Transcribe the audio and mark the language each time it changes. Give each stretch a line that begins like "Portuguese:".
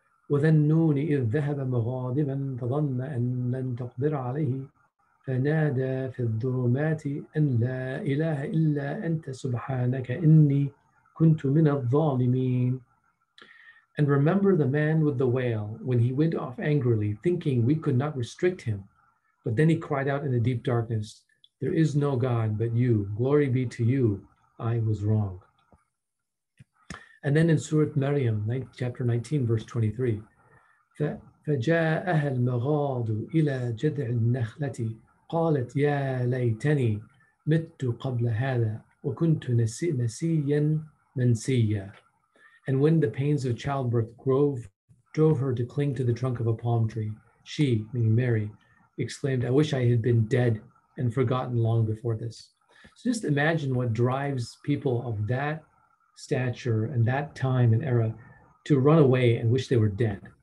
Arabic: وَذَنُّونِ إِذْ ذَهَبَ مُغَاضِبًا فَظَنَّ أَن لَّن تَقْدِرَ عَلَيْهِ فَنَادَى فِي الظُّلُمَاتِ أَن لَّا إِلَٰهَ إِلَّا أَنْتَ سُبْحَانَكَ إِنِّي كُنْتُ مِنَ الظَّالِمِينَ.
English: And remember the man with the whale when he went off angrily, thinking we could not restrict him. But then he cried out in the deep darkness, "There is no God but you. Glory be to you. I was wrong." And then in Surah Maryam, chapter 19, verse 23,
Arabic: فَجَاءَهَا الْمَغَاضُ إِلَى جَذْعِ النَّخْلَةِ قَالَتْ يَا لَيْتَنِي مِتُّ قَبْلَ هَذَا وَكُنْتُ نَسِيًّا مَنْسِيًّا.
English: And when the pains of childbirth drove her to cling to the trunk of a palm tree, she, meaning Mary, exclaimed, "I wish I had been dead and forgotten long before this." So just imagine what drives people of that stature and that time and era to run away and wish they were dead.